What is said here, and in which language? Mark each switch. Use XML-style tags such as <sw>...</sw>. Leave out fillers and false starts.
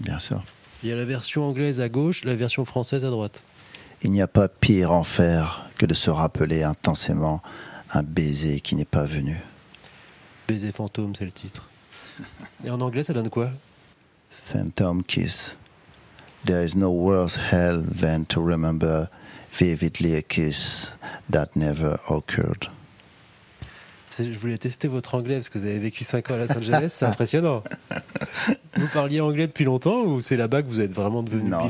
<fr>Bien sûr. Il y a la version anglaise à gauche, la version française à droite. Il n'y a pas pire enfer que de se rappeler intensément un baiser qui n'est pas venu. Baiser fantôme, c'est le titre. Et en anglais, ça donne quoi ?</fr> <en>Phantom kiss. There is no worse hell than to remember vividly a kiss that never occurred.</en> <fr>Je voulais tester votre anglais parce que vous avez vécu 5 ans à Los Angeles, c'est impressionnant. Vous parliez anglais depuis longtemps ou c'est là-bas que vous êtes vraiment devenu bilingue ?</fr>